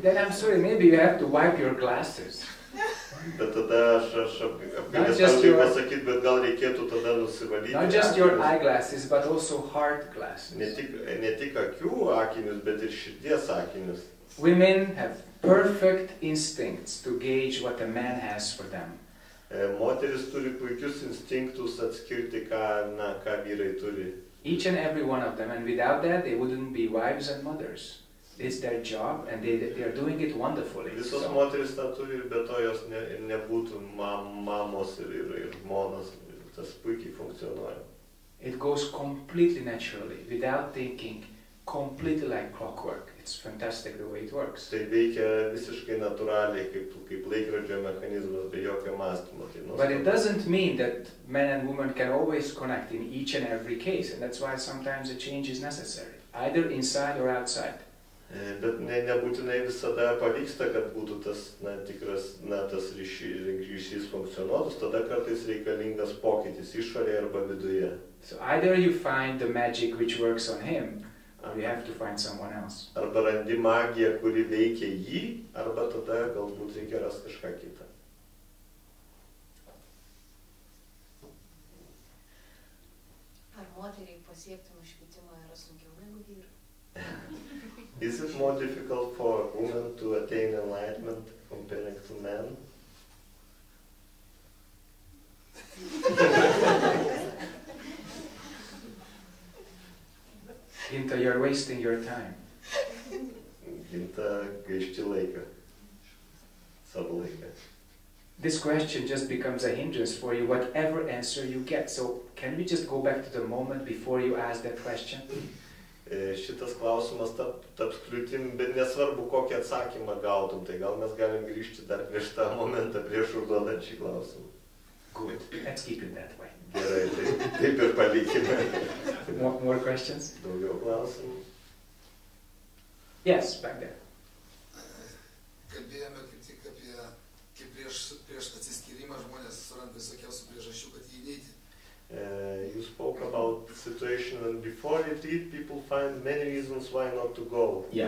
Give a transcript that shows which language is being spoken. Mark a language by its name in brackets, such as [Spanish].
[English] Then I'm sorry, maybe you have to wipe your glasses. [Lithuanian] Bet tada aš apgailestauju pasakyt, bet gal reikėtų tada nusivalyti. [English] Not just your eyeglasses, but also heart glasses. [Lithuanian] Ne tik akių akinius, bet ir širdies akinius. [English] Women have perfect instincts to gauge what a man has for them. [Lithuanian] Moteris turi puikius instinktus atskirti, ką vyrai turi. [English] Each and every one of them, and without that they wouldn't be wives and mothers. It's their job, and they are doing it wonderfully. [Lithuanian] Visos so. Moteris tą turi, ir be to jos nebūtų mamos ir žmonos, tas puikiai funkcionuoja. [English] It goes completely naturally, without thinking, completely like clockwork. It's fantastic the way it works. [Lithuanian] Tai veikia visiškai natūraliai, kaip laikrodžio mechanizmas, be jokio mąstymo. [English] But it doesn't mean that men and women can always connect in each and every case, and that's why sometimes a change is necessary, either inside or outside. [Lithuanian] Bet nebūtinai visada pavyksta, kad būtų tas tikras, tas ryšys funkcionuotas, tada kartais reikalingas pokytis išorėje arba viduje. [English] So either you find the magic which works on him, or you have to find someone else. [Lithuanian] Arba randi magiją, kuri veikia jį, arba tada galbūt reikia rasti kažką kitą. Ar moteriai pasiektum išvietimą yra sunkiau negu vyru? [English] Is it more difficult for a woman to attain enlightenment compared to men? Ginta, you're wasting your time. [Lithuanian] Ginta, gaišti laiką. Savo laiką. [English] This question just becomes a hindrance for you, whatever answer you get. So can we just go back to the moment before you ask that question? [Lithuanian] Šitas klausimas taps kliūtim, bet nesvarbu, kokį atsakymą gautum, tai gal mes galim grįžti dar prieš tą momentą, prieš užduodant šį klausimą. [English] Good, let's keep it that way. [Lithuanian] Gerai, taip ir palikime. [English] More questions? [Lithuanian] Daugiau klausimų. [English] Yes, back there. [Lithuanian] Kalbėjome kaip tik apie, kaip prieš atsiskyrimą žmonės suranda visokiausių priežasčių, kad jį neįti. [English] You spoke about the situation when before you did, people find many reasons why not to go.